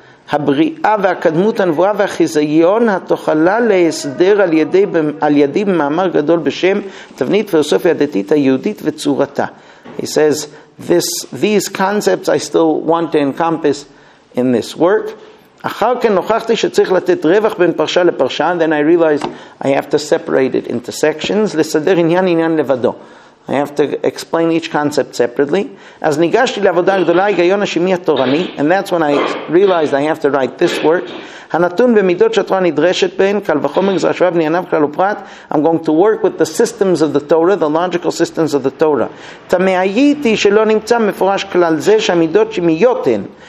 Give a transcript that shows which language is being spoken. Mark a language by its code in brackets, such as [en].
[he] הבריאה והקדמות הנבואה והחיזיון התוכלה להסדר על ידי במאמר גדול בשם תבנית פילוסופיה דתית היהודית וצורתה. [en] He says, these concepts I still want to encompass in this work. [he] אחר כן נוכחתי שצריך לתת רווח בין פרשה לפרשה, [en] then I realized I have to separate it into sections, [he] לסדר עניין עניין לבדו. [en] I have to explain each concept separately. [he] אז ניגשתי לעבודה גדולה, היגיון השימי התורני, [en] and that's when I realized I have to write this work. [he] הנתון במידות שהתורה נדרשת בהן, קל וחומר גזרה שווה בנייניו כלל ופרט, [en] I'm going to work with the systems of the Torah, the logical systems of the Torah. [he] תמהיתי שלא נמצא מפורש כלל זה שהמידות שמיותן.